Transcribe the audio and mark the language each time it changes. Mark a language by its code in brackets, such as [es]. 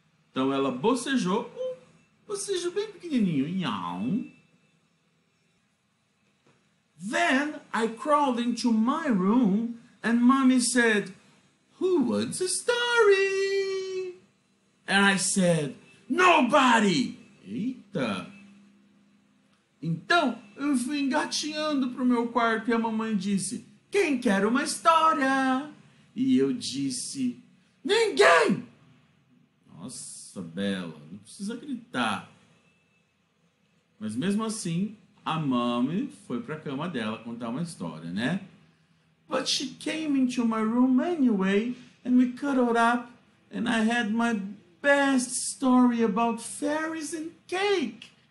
[pt] Então ela bocejou um bocejo bem pequenininho, [en] yawn. Then I crawled into my room and mommy said, "Who wants a story?" And I said, "Nobody!" [pt] Eita! Então eu fui engatinhando pro meu quarto e a mamãe disse, "Quem quer uma história?" E eu disse, "Ninguém!" Nossa, Bella, não precisa gritar. Mas mesmo assim, a mami foi pra cama dela contar uma história, né? [en] But she came into my room anyway, and we cuddled up, and I had my best story about fairies and cake.